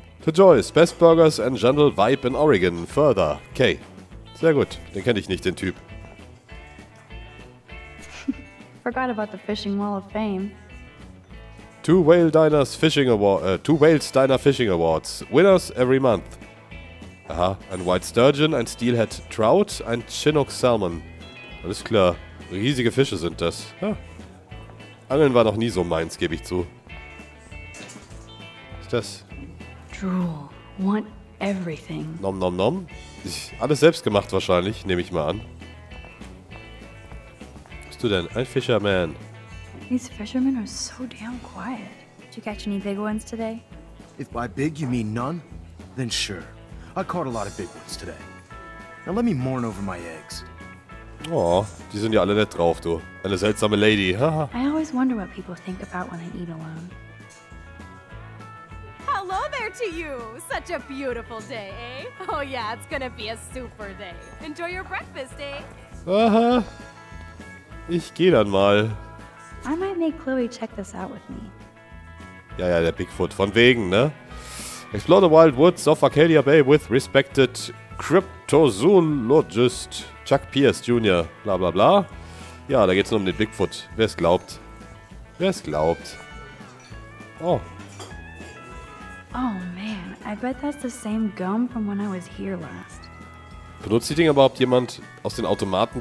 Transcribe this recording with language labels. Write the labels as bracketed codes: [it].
[en] To Joyce, best burgers and gentle vibe in Oregon, further. Kay. [de] Sehr gut, den kenne ich nicht, den Typ. [en] Forgot about the fishing wall of fame. Two Whale Diner Fishing Awards. Winners every month. Aha, ein White Sturgeon, ein Steelhead Trout, ein Chinook Salmon. [de] Alles klar, riesige Fische sind das. Ja. Angeln war noch nie so meins, gebe ich zu. Was ist das? [en] Drool, want everything. Nom nom nom. [de] Alles selbst gemacht wahrscheinlich, nehme ich mal an. Bist du denn ein Fisherman? [en] These fishermen are so damn quiet. Did you catch any big ones today? If by big you mean none, then sure. I caught a lot of big ones today. Now let me mourn over my eggs. [de] Oh, die sind ja alle nett drauf, du. Eine seltsame Lady, haha. [en] I always wonder what people think about when I eat alone. Hello there to you! Such a beautiful day, eh? Oh yeah, it's gonna be a super day. Enjoy your breakfast, eh? [de] Aha. Ich geh dann mal. [en] I might make Chloe check this out with me. [de] Ja, ja, der Bigfoot, von wegen, ne? [en] Explore the wild woods of Arcadia Bay with respected cryptozoologist Chuck Pierce Jr. Bla bla bla. [de] Ja, da geht's nur um den Bigfoot. Wer es glaubt? Wer es glaubt? Oh. [en] Oh man, I bet that's the same gum from when I was here last. [de] Benutzt die Dinger überhaupt jemand aus den Automaten?